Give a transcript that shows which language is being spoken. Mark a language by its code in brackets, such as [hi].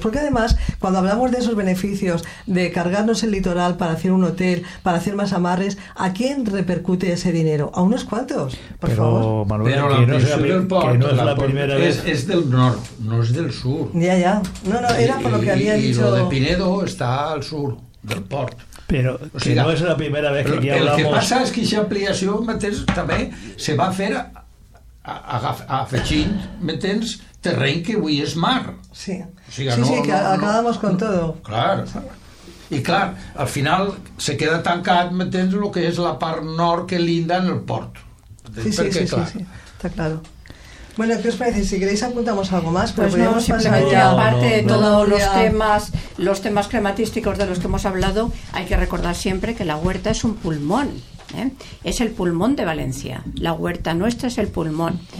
[es] Porque además, cuando hablamos de esos beneficios, de cargarnos el litoral para hacer un hotel, para hacer más amarres, ¿a quién repercute ese dinero? ¿A unos cuantos? Por favor. Pero Manuel, no es la primera vez. Es del norte, no es del sur. Ya. No, era por lo que había dicho. Y lo de Pinedo está al sur del port. [ca] Però o sigui, no és la primera vegada que aquí [es] hablamos. [ca] El que passa és que aquesta ampliació mateix també se va fer afegint, m'entens, terreny que avui és mar. [es] Sí, [ca] o sigui, [es] acabamos con todo. [ca] Clar. I clar, al final [es] se queda [ca] tancat, m'entens, el que és la part nord que linda en el port. Sí, està clar. [es] Bueno, ¿qué os parece? Si queréis apuntamos algo más. Pues no, simplemente aparte de todos los temas climatísticos de los que hemos hablado, hay que recordar siempre que la huerta es un pulmón, ¿eh? Es el pulmón de Valencia. La huerta nuestra es el pulmón.